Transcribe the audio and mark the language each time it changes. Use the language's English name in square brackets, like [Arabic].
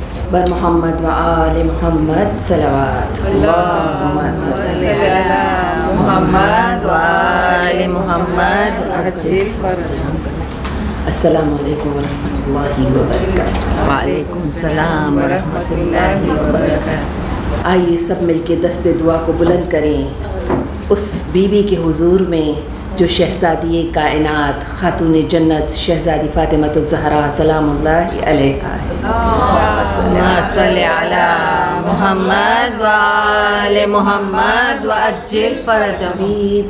[Arabic] بر محمد و آل محمد صلوات اللهم صل على محمد و آل محمد السلام عليكم ورحمة الله وبركاته وعليكم السلام ورحمة الله وبركاته [Urdu] آئیے سب مل کے دست دعا کو بلند کریں اس بی بی کے حضور میں جو شہزادی کائنات خاتون جنت شہزادی فاطمۃ الزہرا سلام اللہ علیہا [Arabic] اللهم صل على محمد وآل محمد وأجل فرجهم